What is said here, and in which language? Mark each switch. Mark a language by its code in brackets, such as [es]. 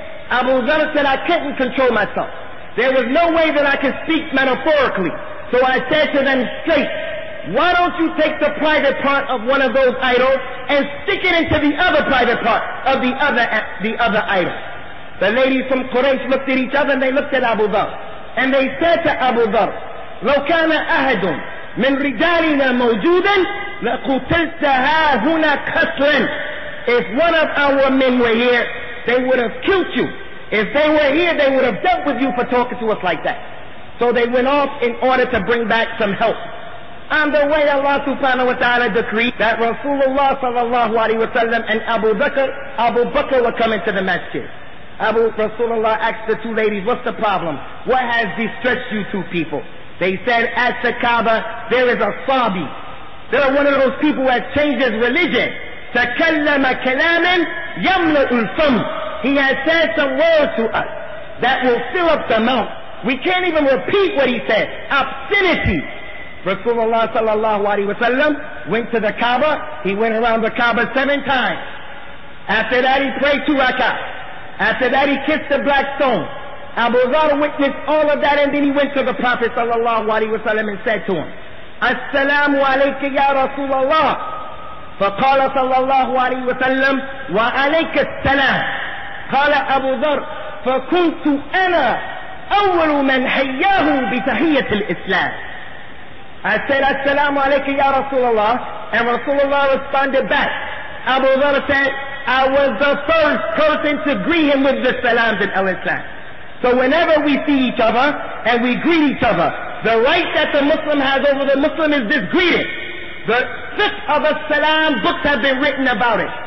[en] Abu Dharr said, I couldn't control myself. There was no way that I could speak metaphorically. So I said to them straight, why don't you take the private part of one of those idols and stick it into the other private part of the other idol? The ladies from Quraysh looked at each other and they looked at Abu Dharr. And they said to Abu Dharr, [ar] لو كان أحد من رجالنا موجودا لقتلت هاهنا قتلا. [en] If one of our men were here, they would have killed you. If they were here, they would have dealt with you for talking to us like that. So they went off in order to bring back some help. On the way, Allah subhanahu wa ta'ala decreed that Rasulullah sallallahu alayhi wa sallam and Abu Bakr were coming to the masjid. Rasulullah asked the two ladies, what's the problem? What has distressed you two people? They said, at the Kaaba, there is a Sabi. There are one of those people who has changed his religion. [ar] تَكَلَّمَ كَلَامًا يَمْلَأُ الْفَمُ. [en] He has said some words to us that will fill up the mouth. We can't even repeat what he said. Obscenity. Rasulullah sallallahu alaihi wasallam went to the Kaaba. He went around the Kaaba 7 times. After that, he prayed 2 rak'ah. After that, he kissed the black stone. Abu Dharr witnessed all of that, and then he went to the Prophet sallallahu alaihi wasallam and said to him, [ar] "Assalamu alayka ya Rasulullah." فقال صلى الله عليه وسلم وعليك السلام قال أبو ذر فكنت أنا أول من حياه بتحية الإسلام. [en] I said [ar] السلام عليك يا رسول الله, [en] and رسول الله responded back. أبو ذر said I was the first person to greet him with the salam in al-Islam. So whenever we see each other and we greet each other, the right that the Muslim has over the Muslim is this greeting. The fiqh of As-Salam, books have been written about it.